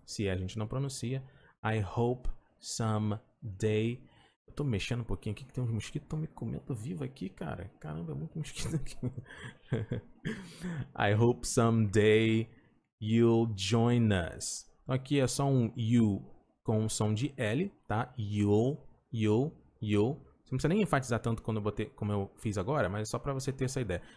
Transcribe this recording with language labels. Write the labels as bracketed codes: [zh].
[pt] Se a gente não pronuncia. [en] I hope someday. [pt] Tô mexendo um pouquinho aqui que tem uns mosquitos que estão me comendo vivo aqui, cara. Caramba, é muito mosquito aqui. [en] I hope someday you'll join us. [pt] Então aqui é só um you com um som de L, tá? You. Você não precisa nem enfatizar tanto quando eu botei, como eu fiz agora, mas é só pra você ter essa ideia.